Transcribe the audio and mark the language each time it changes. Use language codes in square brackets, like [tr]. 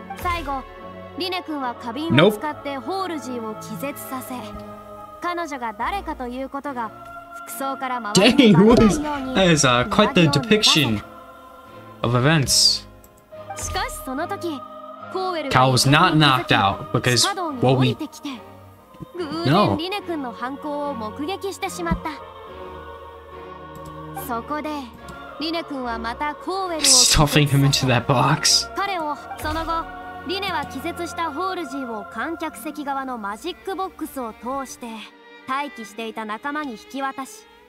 [ja] 最後、リネ君は花瓶を使ってホールジーを気絶させ、彼女が誰かということが服装から守られるように。 [en] Dang, that is quite the depiction of events. [ja] しかしその時。 [en] Cal was not knocked out because what we No. [ja] リネ君の犯行を目撃してしまった。そこでリネ君はまたコーウェルを [en] stuffing him into that box. [ja] 彼をその後リネは気絶したホールジーを観客席側のマジックボックスを通して待機していた仲間に引き渡し。